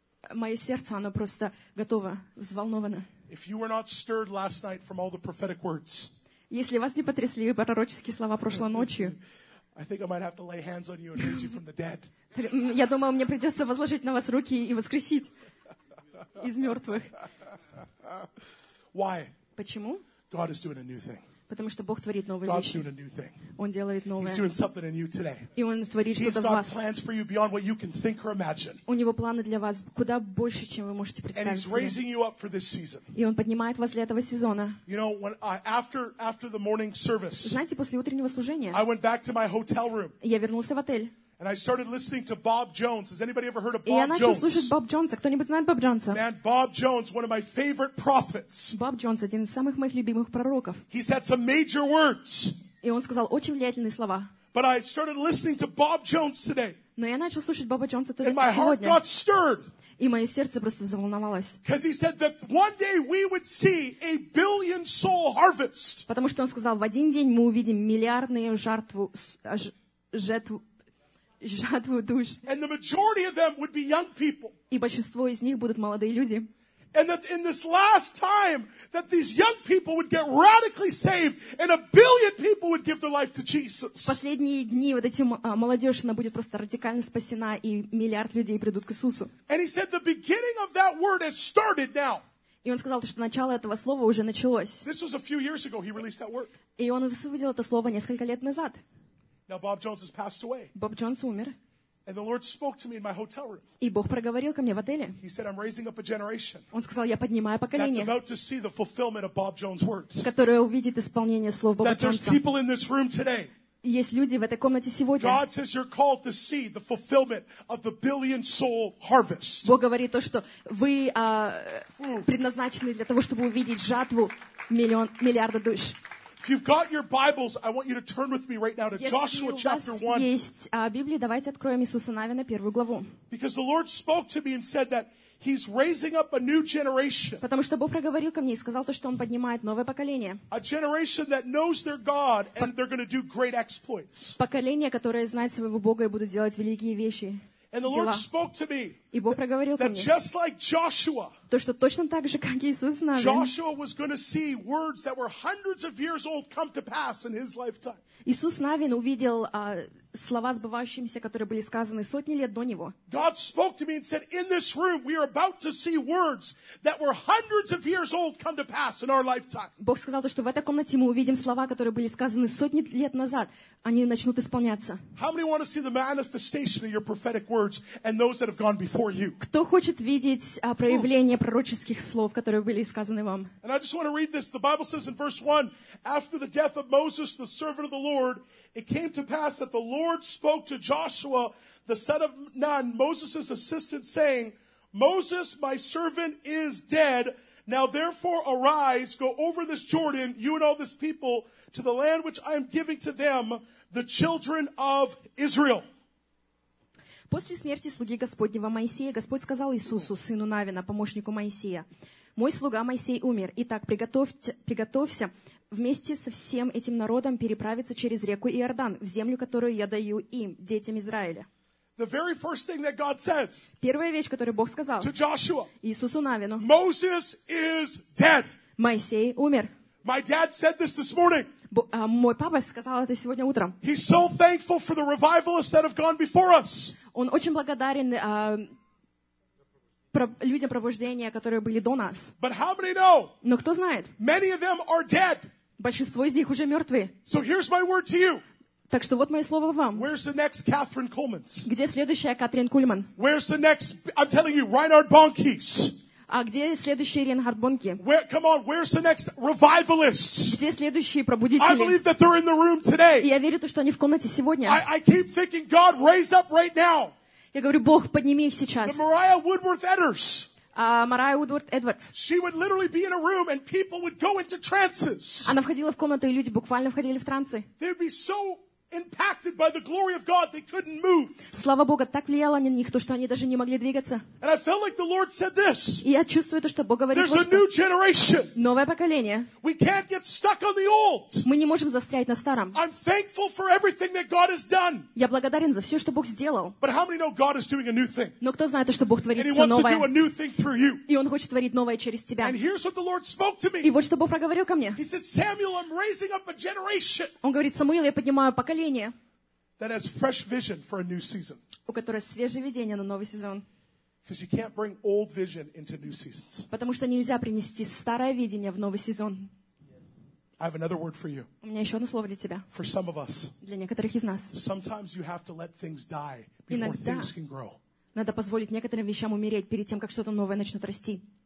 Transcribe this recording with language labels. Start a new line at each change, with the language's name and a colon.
Russian: Мое сердце, оно просто готово, взволновано.
English: If you were not stirred last night from all the prophetic words.
Russian: Если вас не потрясли пророческие слова прошлой ночью.
English: I think I might have to lay hands on you and raise you from the dead.
Russian: Я думаю, мне придется возложить на вас руки и воскресить из мертвых.
English: Why?
Russian: Почему?
English: God is doing a new thing.
Russian: Потому что Бог творит новые
English: God's
Russian: вещи.
English: Doing a new thing.
Russian: Он делает новое.
English: He's doing something in you today.
Russian: И Он творит что-то в вас.
English: Plans for you beyond what you can think or imagine.
Russian: У Него планы для вас куда больше, чем вы можете представить.
English: And He's raising you up for this season.
Russian: И Он поднимает вас для этого сезона.
English: You know, when after the morning service,
Russian: знаете, после утреннего служения,
English: I went back to my hotel room.
Russian: Я вернулся в отель.
English: And I started listening to Bob Jones. Has anybody ever heard of Bob Jones?
Russian: Я начал слушать Боб Джонса. Кто-нибудь знает Боб Джонса?
English: Man, Bob Jones, one of my favorite prophets.
Russian: Боб Джонс один из самых моих любимых пророков.
English: He said some major words.
Russian: И он сказал очень влиятельные слова.
English: But I started listening to Bob Jones today.
Russian: Но я начал слушать Боба Джонса только сегодня.
English: And my heart got stirred.
Russian: И мое сердце просто взволновалось.
English: Because he said that one day we would see a billion soul harvest.
Russian: Потому что он сказал, в один день мы увидим миллиардную жертву.
English: And the majority of them would be young people.
Russian: И большинство из них будут молодые люди.
English: And that in this last time, that these young people would get radically saved, and a billion people would give their life to Jesus.
Russian: В последние дни вот эти молодежь она будет просто радикально спасена, и миллиард людей придут к Иисусу.
English: And he said the beginning of that word has started now.
Russian: И он сказал, что начало этого слова уже началось.
English: This was a few years ago. He released that word.
Russian: И он высвободил это слово несколько лет назад.
English: Now Bob Jones has passed away.
Russian: Боб Джонс умер.
English: And the Lord spoke to me in my hotel room.
Russian: И Бог проговорил ко мне в отеле.
English: He said, "I'm raising up a generation."
Russian: Он сказал, я поднимаю поколение.
English: That's about to see the fulfillment of Bob Jones' words.
Russian: Которое увидит исполнение слов Боба Джонса.
English: That there's people in this room today.
Russian: Есть люди в этой комнате сегодня.
English: God says you're called to see the fulfillment of the billion soul harvest.
Russian: Бог говорит то, что вы предназначены для того, чтобы увидеть жатву миллиарда душ.
English: If you've got your Bibles, I want you to turn with me right now to
Russian: Если
English: Joshua chapter 1.
Russian: Если у вас есть Библия, давайте откроем Иисуса Навина, первую главу.
English: Because the Lord spoke to me and said that He's raising up a new generation.
Russian: Потому что Бог проговорил ко мне и сказал то, что Он поднимает новое поколение.
English: A generation that knows their God and they're going to do great exploits.
Russian: Поколение, которое знает своего Бога и будут делать великие вещи.
English: And the Lord spoke to me.
Russian: И Бог проговорил ко мне.
English: That just like Joshua.
Russian: То, что точно так же, как Иисус Навин.
English: Joshua was going to see words that were hundreds of years old come to pass in his lifetime.
Russian: Иисус Навин увидел слова сбывающиеся, которые были сказаны сотни лет до него.
English: God spoke to me and said, "In this room, we are about to see words that were hundreds of years old come to pass in our lifetime."
Russian: Бог сказал то, что в этой комнате мы увидим слова, которые были сказаны сотни лет назад, они начнут исполняться.
English: How many want to see the manifestation of your prophetic words and those that have gone before you?
Russian: Кто хочет видеть проявление пророческих слов, которые были сказаны вам?
English: And I just want to read this. The Bible says in verse 1, after the death of Moses, the servant of the Lord, it came to pass that the Lord spoke to Joshua, the son of Nun, Moses' assistant, saying, Moses, my servant, is dead. Now therefore arise, go over this Jordan, you and all this people, to the land which I am giving to them, the children of Israel.
Russian: После смерти слуги Господнего Моисея, Господь сказал Иисусу, сыну Навина, помощнику Моисея, мой слуга Моисей умер, итак, приготовься, вместе со всем этим народом переправиться через реку Иордан в землю, которую я даю им, детям Израиля.
English: The very first thing that God says
Russian: первая вещь, которую Бог сказал
English: to Joshua,
Russian: Иисусу Навину,
English: Moses is dead.
Russian: Моисей умер.
English: My dad said this this morning.
Russian: Мой папа сказал это сегодня утром.
English: He's so thankful for the revivalists that have gone before us.
Russian: Он очень благодарен людям пробуждения, которые были до нас.
English: But how many know?
Russian: Но кто знает?
English: Many of them are dead.
Russian: Большинство из них уже мертвы.
English: So here's my word to you.
Russian: Так что вот мое слово вам.
English: Where's the next Catherine Kuhlman?
Russian: Где следующая Катрин Кульман?
English: Where's the next, I'm telling you, Reinhard Bonnke?
Russian: А где следующие Ренхард Бонке?
English: Where, come on, where's the next revivalist?
Russian: Где следующие пробудители?
English: I believe that they're in the room today.
Russian: И я верю то, что они в комнате сегодня.
English: I keep thinking, God, raise up right now.
Russian: Я говорю, Бог, подними их сейчас.
English: The Mariah Woodworth Edwards. Mariah Woodworth Edwards. She would literally be in a room and people would go into trances.
Russian: Она входила в комнату и люди буквально входили в трансы.
English: They'd be so impacted by the glory of God, they couldn't move.
Russian: Слава Богу, так влияло на них то, что они даже не могли двигаться.
English: And I felt like the Lord said this.
Russian: И я чувствую то, что Бог говорит.
English: There's a new generation.
Russian: Новое поколение.
English: We can't get stuck on the old.
Russian: Мы не можем застрять на старом.
English: I'm thankful for everything that God has done.
Russian: Я благодарен за все, что Бог сделал.
English: But how many know God is doing a new thing?
Russian: Но кто знает, что Бог творит все новое?
English: And He wants to do a new thing through you.
Russian: И Он хочет творить новое через тебя.
English: And here's what the Lord spoke to me.
Russian: И вот что Бог проговорил ко мне.
English: He said, Samuel, I'm raising up a generation.
Russian: Он говорит, Самуил, я поднимаю поколение.
English: That has fresh vision for a new season.
Russian: У которой свежее видение на новый сезон.
English: Because you can't bring old vision into new seasons.
Russian: Потому что нельзя принести старое видение в новый сезон.
English: I have another word for you.
Russian: У меня еще одно слово для тебя.
English: For some of us.
Russian: Для некоторых из нас.
English: Sometimes you have to let things die before things can grow.
Russian: Надо позволить некоторым вещам умереть перед тем, как что-то новое начнет расти.